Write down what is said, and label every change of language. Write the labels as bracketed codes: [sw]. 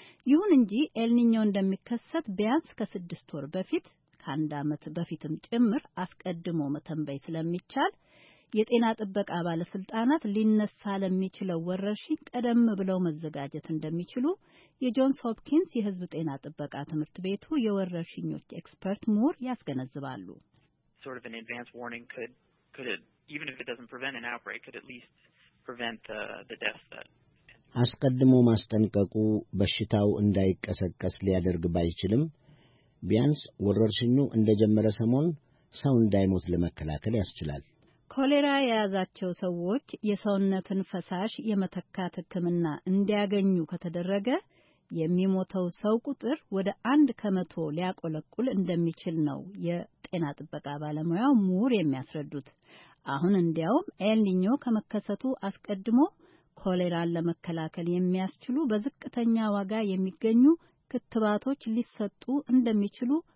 [am] ይሁን እንጂ ኤልኒኞ እንደሚከሰት ቢያንስ ከ6 ወር በፊት ከአንድ አመት በፊትም ጭምር አስቀድሞ መተንበይ ስለሚቻል የጤና ጥበቃ ባለስልጣናት ሊነሳ ለሚችለው ወረርሽኝ ቀደም ብለው መዘጋጀት እንደሚችሉ የጆንስ ሆፕኪንስ የህዝብ ጤና ጥበቃ ትምህርት ቤቱ የወረርሽኞች ኤክስፐርት ሙር ያስገነዝባሉ። [en] Sort of an advance warning could even if it doesn't prevent an outbreak could at least prevent the death that [am] አስቀድሞ ማስጠንቀቁ በሽታው እንዳይቀሰቀስ ሊያደርግ ባይችልም ቢያንስ ወረርሽኙ እንደጀመረ ሰሞን ሰው እንዳይሞት ለመከላከል ያስችላል። ኮሌራ የያዛቸው ሰዎች የሰውነትን ፈሳሽ የመተካት ህክምና እንዲያገኙ ከተደረገ የሚሞተው ሰው ቁጥር ወደ 100% ሊያቆለቁል እንደሚችል ነው የጤና ጥበቃ ባለሙያው ሙር የሚያስረዱት። አሁን እንዲያውም ኤልኒኞ ከመከሰቱ አስቀድሞ ኮሌራን ለመከላከል የሚያስችሉ በዝቅተኛ ዋጋ የሚገኙ ክትባቶች ሊሰጡ እንደሚችሉ